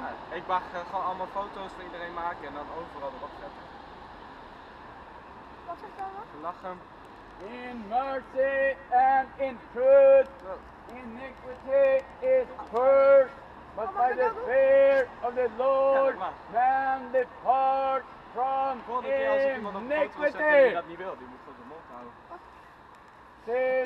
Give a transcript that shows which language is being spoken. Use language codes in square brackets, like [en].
[nl] Ik mag gewoon allemaal foto's van iedereen maken en dan overal erop zetten. Wat zeg je dan? Lachen. [en] In mercy and in truth, iniquity is cursed, but by the fear of the Lord, man depart from iniquity. [nl] Volgende keer als ik iemand op foto zet en je dat niet wil, die moet gewoon zijn mond houden.